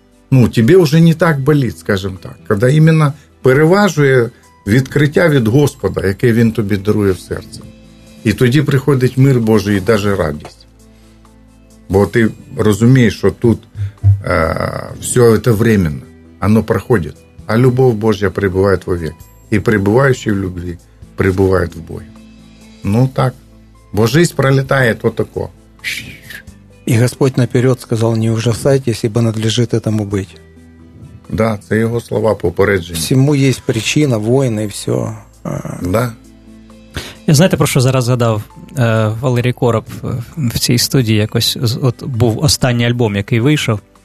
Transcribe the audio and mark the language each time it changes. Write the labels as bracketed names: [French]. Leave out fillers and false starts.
[Ukrainian] Ну, тобі вже не так болить, скажімо так. Коли іменно переважує відкриття від Господа, яке він тобі дарує в серці. І тоді приходить мир Божий і навіть радість. Бо ти розумієш, що тут все це временно. [Russian] Оно проходит, а любов Божья пребывает вовек. И пребывающий в любви пребывает в Боге. Ну так. Бо жизнь пролетает вот тако. [Ukrainian] І Господь наперед сказав: не ужасайтесь, ібо [Russian] надлежит этому быть. [Ukrainian] Да, це його слова попередження. Всьому є причина, воїни і все. Да. Я, знаєте, про що зараз згадав Валерій Короб в цій студії? Якось от був останній альбом, який вийшов.